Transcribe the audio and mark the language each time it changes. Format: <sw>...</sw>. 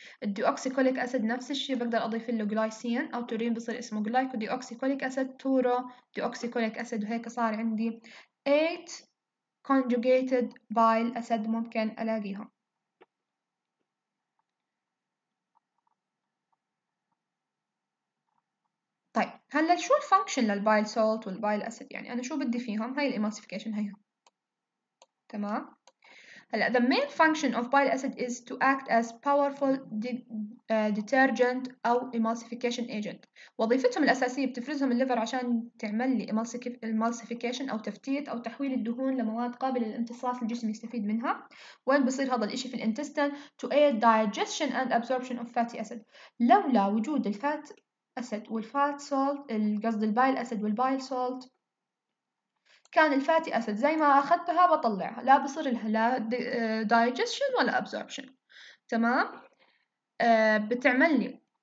<ar>الديوكسيكوليك اسيد نفس الشيء، بقدر اضيف له جلايسين او تورين بصير اسمه جلايكو ديوكسيكوليك اسيد تورو ديوكسيكوليك اسيد، وهيك صار عندي 8 كونجوجيتد بايل اسيد ممكن الاقيها. طيب هلا شو الفانكشن للبايل سولت والبايل اسيد؟ يعني انا شو بدي فيهم؟ هاي الايموسيفيكيشن هي. تمام، هلا</ar> <en>the main function of bile acid is to act as powerful detergent</en> <ar>او</ar> <en>emulsification agent.</en> <ar>وظيفتهم الاساسيه بتفرزهم الليفر عشان تعمل لي emulsification او تفتيت او تحويل الدهون لمواد قابله للامتصاص الجسم يستفيد منها. وين بصير هذا الاشي؟ في الانتستين</ar> <en>to aid digestion and absorption of fatty acid.</en> <ar>لولا وجود الفات أسد والفات سولت، القصد البايل أسد والبايل سولت، كان الفاتي أسد زي ما أخذتها بطلعها، لا بصير لها لا digestion ولا absorption. تمام، بتعمل لي</ar>